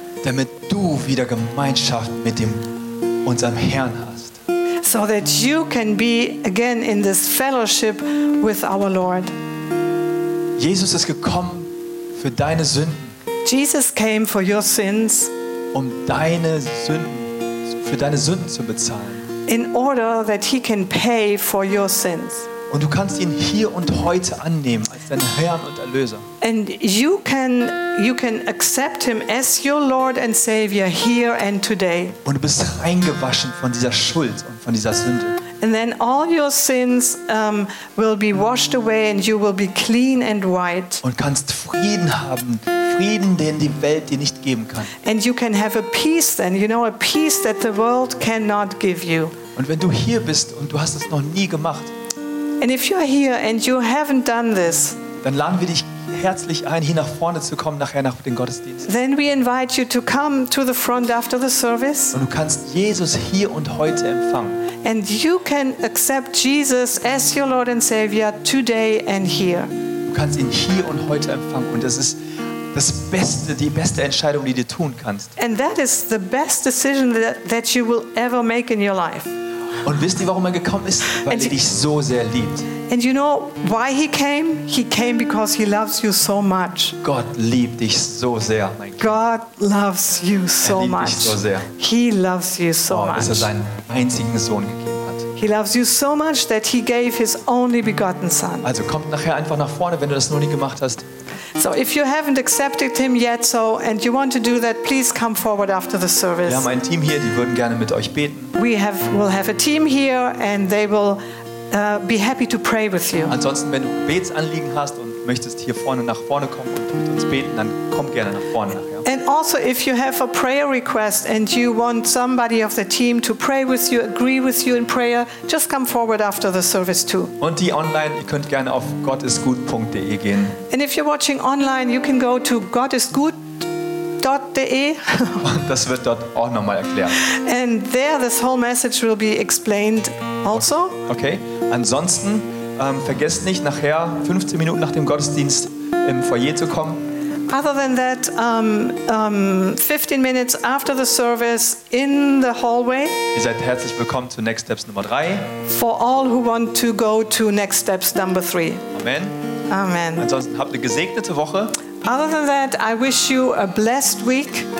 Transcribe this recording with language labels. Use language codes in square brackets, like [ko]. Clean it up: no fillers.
[de] Damit du wieder Gemeinschaft mit dem unserem Herrn hast. [en] So that you can be again in this fellowship with our Lord. [de] Jesus ist gekommen für deine Sünden. [en] Jesus came for your sins. [de] Um deine Sünden für deine Sünden zu bezahlen. [en] In order that he can pay for your sins. [de] Und du kannst ihn hier und heute annehmen als deinen Herrn und Erlöser. [en] And you can accept him as your Lord and Savior here and today. [de] Und du bist reingewaschen von dieser Schuld und von dieser Sünde. [en] And then all your sins will be washed away and you will be clean and white. [de] Und kannst Frieden haben, Frieden, den die Welt dir nicht geben kann. [en] And you can have a peace then, you know, a peace that the world cannot give you. [de] Und wenn du hier bist und du hast es noch nie gemacht. [en] And if you're here and you haven't done this. [de] Dann laden wir dich herzlich ein, hier nach vorne zu kommen, nachher nach dem Gottesdienst. [en] Then we invite you to come to the front after the service. [de] Und du kannst Jesus hier und heute empfangen. [en] And you can accept Jesus as your Lord and Savior today and here. [de] Du kannst ihn hier und heute empfangen und das ist das Beste, die beste Entscheidung, die du tun kannst. [en] And that is the best decision that you will ever make in your life. [de] Und wisst ihr, warum er gekommen ist? Weil er dich so sehr liebt. [en] And you know why he came? He came because he loves you so much. [de] Gott liebt dich so sehr. [en] God loves you so much. [de] Er liebt dich so sehr. [en] He loves you so much. [de] Dass er seinen einzigen Sohn gegeben hat. [en] He loves you so much that he gave his only begotten son. [de] Also kommt nachher einfach nach vorne, wenn du das noch nie gemacht hast. [en] So if you haven't accepted him yet, so and you want to do that, please come forward after the service. [de] Wir haben ein Team hier, die würden gerne mit euch beten. [en] We'll have a team here and they will be happy to pray with you. [de] Ansonsten, wenn du Gebetsanliegen hast und möchtest hier vorne nach vorne kommen und mit uns beten, dann komm gerne nach vorne nachher. [en] And also if you have a prayer request and you want somebody of the team to pray with you, agree with you in prayer, just come forward after the service too. [de] Und die online, ihr könnt gerne auf gottisgut.de gehen. [en] And if you're watching online, you can go to gottisgut.de. [de] Das wird dort auch nochmal erklärt. [en] And there this whole message will be explained also. Okay. [de] Ansonsten vergesst nicht nachher 15 Minuten nach dem Gottesdienst im Foyer zu kommen. [en] Other than that, 15 minutes after the service in the hallway. [de] Ihr seid herzlich willkommen zu Next Steps Nummer 3. [en] For all who want to go to Next Steps Number 3. Amen. Amen. [de] Ansonsten habt eine gesegnete Woche. [en] Other than that, I wish you a blessed week.